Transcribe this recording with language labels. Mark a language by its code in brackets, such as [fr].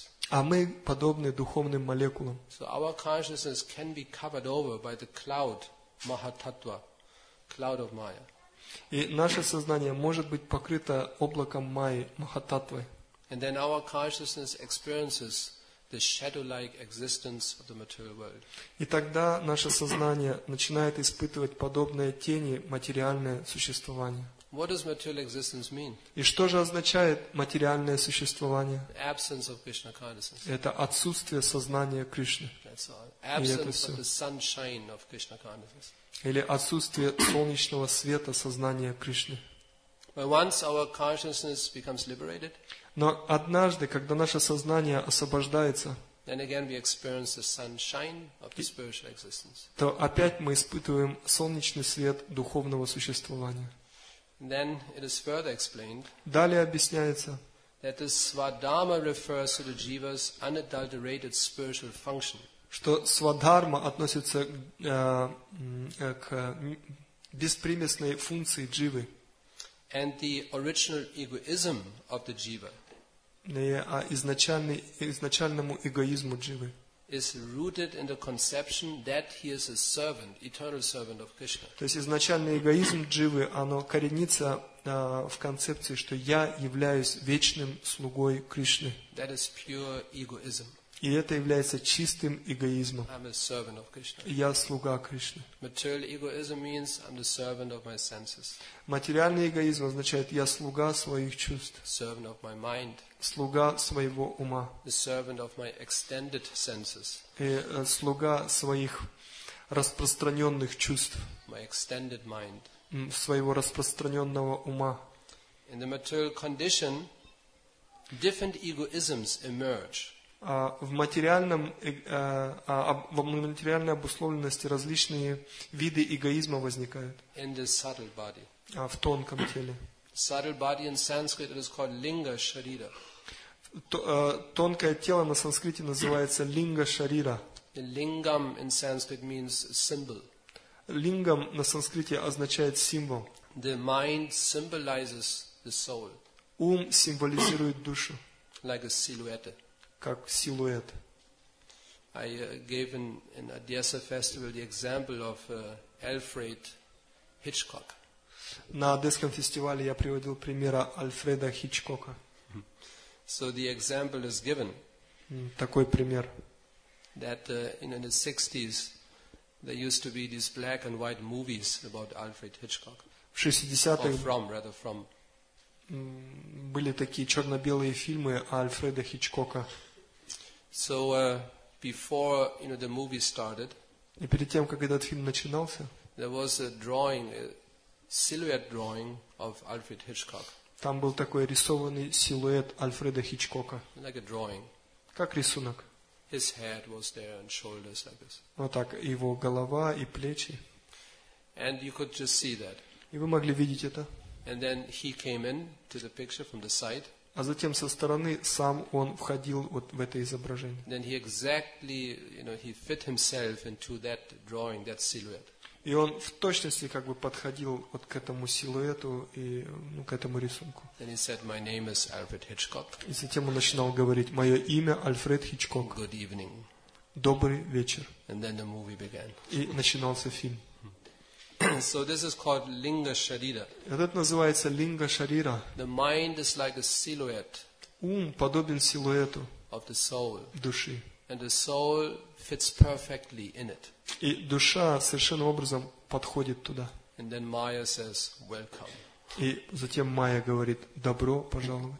[ru] А мы подобны духовным молекулам. [en] So our consciousness can be covered over by the cloud, Mahatattva, cloud of Maya. [ru] И наше сознание может быть покрыто облаком Майи, Махататвы. [en] And then our consciousness experiences the shadow-like existence of the material world. [ru] И тогда наше сознание начинает испытывать подобные тени материальное существование. [en] What does material existence mean? [ru] И что же означает материальное существование? [en] Absence of Krishna consciousness. [ru] Это отсутствие сознания Кришны. [en] That's all. Absence of the sunshine of Krishna consciousness. [ru] Или отсутствие солнечного света сознания Кришны. [en] But once our consciousness becomes liberated, [ru] но однажды, когда наше сознание освобождается, [en] then again we experience the sunshine of the spiritual existence. [ru] То опять мы испытываем солнечный свет духовного существования. [en] Then it is further explained. [ru] Далее объясняется. [en] That the Swadharma refers to the jiva's unadulterated spiritual function. [ru] Что свадхарма относится к беспримесной функции дживы. [en] And the original egoism of the jiva. [ru] Изначальному эгоизму дживы. [en] Is rooted in the conception that he is a servant, eternal servant of Krishna. [ru] То есть изначальный эгоизм дживы, оно коренится в концепции, что я являюсь вечным слугой Кришны. [en] That is pure egoism. [ru] И это является чистым эгоизмом. [en] I'm a servant of Krishna. [ru] Я слуга Кришны. [en] Material egoism means I'm the servant of my senses. [ru] Материальный эгоизм означает я слуга своих чувств. [en] Servant of my mind. [ru] Слуга своего ума. [en] The servant of my extended senses. [ru] И слуга своих распространенных чувств. [en] My extended mind. [ru] Своего распространенного ума. [en] In the material condition, different egoisms emerge. [ru] В материальной обусловленности различные виды эгоизма возникают. [en] In the subtle body. [ru] В тонком теле. [en] Subtle body in Sanskrit it is called linga sharira. [ru] Тонкое тело на санскрите называется линга шарира. [en] Lingam in Sanskrit means symbol. [ru] Лингам на санскрите означает символ. [en] The mind symbolizes the soul. [ru] Ум символизирует душу. [en] Like a silhouette. [ru] Как силуэт. [en] I gave in Odessa festival the example of Alfred Hitchcock. [ru] На Одесском фестивале я приводил пример Альфреда Хичкока. [en] So the example is given. [ru] Такой пример. [en] That in the 60s there used to be these black and white movies about Alfred Hitchcock. [ru] В 60-х [en] from. [ru] Были такие черно-белые фильмы Альфреда Хичкока. [en] So before the movie started. [ru] И перед тем, как этот фильм начинался, [en] there was a drawing, a silhouette drawing of Alfred Hitchcock. [ru] Там был такой рисованный силуэт Альфреда Хичкока. [en] Like a drawing. [ru] Как рисунок. [en] His head was there and shoulders like this. [ru] Вот так его голова и плечи. [en] And you could just see that. [ru] И вы могли видеть это. [en] And then he came in to the picture from the side. [ru] А затем со стороны сам он входил вот в это изображение. [en] Then he exactly, he fit himself into that drawing, that silhouette. [ru] И он в точности как бы подходил вот к этому силуэту и к этому рисунку. [en] Then he said, "My name is Alfred Hitchcock." [ru] И затем он начинал говорить: "Мое имя Альфред Хичкок." [en] Good evening. [ru] Добрый вечер. [en] And then the movie began. [ru] И начинался фильм. [en] So this is called linga sharira. [ru] Это называется линга шарира. [en] The mind is like a silhouette. [ru] Ум подобен силуэту. [en] Of the soul. [ru] Души. [en] And the soul fits perfectly in it. [ru] И душа совершенно образом подходит туда. [en] And then Maya says, "Welcome." [ru] И затем Майя говорит: "Добро пожаловать."